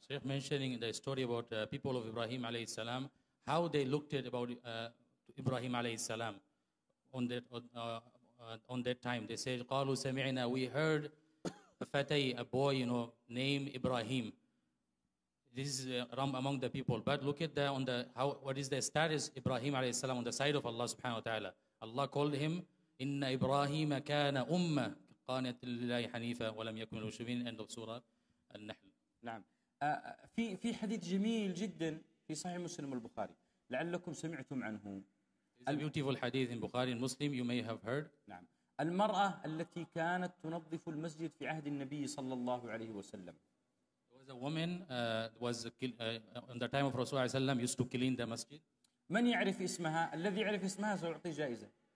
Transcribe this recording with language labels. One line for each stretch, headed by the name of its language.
English: Sheikh mentioning the story about people of Ibrahim alayhi salam, how they looked at about Ibrahim alayhi salam on that time. They said,
Arabic: قالوا سمعنا,
English: we heard a boy, you know, named Ibrahim. This is among the people. But look at what is the status Ibrahim alayhi salam on the side of Allah subhanahu wa ta'ala. Allah called him,
Arabic: إن إبراهيم كان أمة. قانت لله حنيفة ولم يكن المشركين عند سورة النحل. نعم. في حديث جميل جدا في صحيح مسلم البخاري, لعلكم سمعتم عنه.
English: It's a beautiful hadith in Bukhari and Muslim, you may have heard.
Arabic: نعم. المرأة التي كانت تنظف المسجد في عهد النبي صلى الله عليه وسلم.
English: It was There's a woman was in the time of Rasulullah صلى الله عليه وسلم used to clean the masjid.
Arabic: من يعرف اسمها؟ الذي يعرف اسمها سيعطي جائزة.